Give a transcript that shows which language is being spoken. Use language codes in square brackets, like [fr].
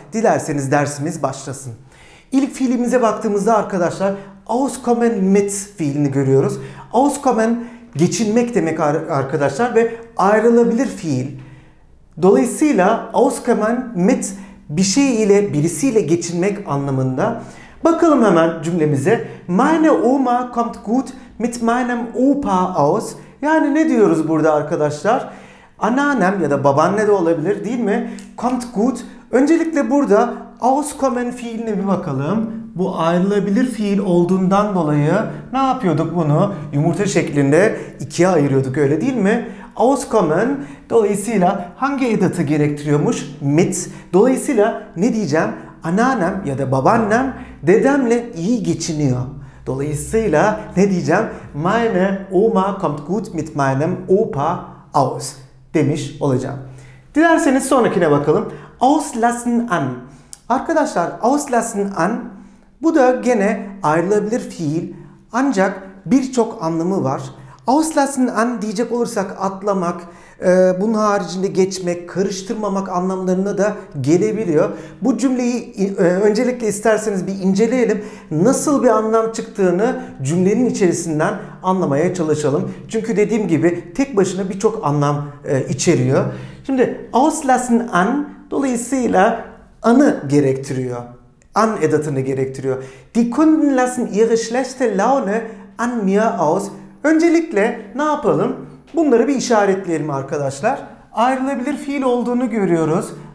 [tr] Dilerseniz dersimiz başlasın. İlk fiilimize baktığımızda arkadaşlar, auskommen mit fiilini görüyoruz. Auskommen geçinmek demek arkadaşlar ve ayrılabilir fiil. Dolayısıyla auskommen mit bir şey ile birisiyle geçinmek anlamında. Bakalım hemen cümlemize. [de] Meine Oma kommt gut mit meinem Opa aus. [tr] Yani ne diyoruz burada arkadaşlar? Anneannem ya da babaanne de olabilir, değil mi? [de] Kommt gut. [tr] Öncelikle burada auskommen fiiline bir bakalım. Bu ayrılabilir fiil olduğundan dolayı ne yapıyorduk bunu? Yumurta şeklinde ikiye ayırıyorduk, öyle değil mi? Auskommen dolayısıyla hangi edatı gerektiriyormuş? Mit. Dolayısıyla ne diyeceğim? Anneannem ya da babaannem dedemle iyi geçiniyor. Dolayısıyla ne diyeceğim? [de] Meine Oma kommt gut mit meinem Opa aus [tr] demiş olacağım. Dilerseniz sonrakine bakalım. Auslassen an. Arkadaşlar auslassen an, bu da gene ayrılabilir fiil ancak birçok anlamı var. Auslassen an diyecek olursak atlamak, bunun haricinde geçmek, karıştırmamak anlamlarına da gelebiliyor. Bu cümleyi öncelikle isterseniz bir inceleyelim. Nasıl bir anlam çıktığını cümlenin içerisinden anlamaya çalışalım. Çünkü dediğim gibi tek başına birçok anlam içeriyor. Şimdi auslassen an dolayısıyla anı gerektiriyor. An edatını gerektiriyor. [de] Die Kunden lassen ihre schlechte Laune an mir aus. [tr] Öncelikle ne yapalım? Bunları bir işaretleyelim arkadaşlar. Ayrılabilir fiil olduğunu görüyoruz.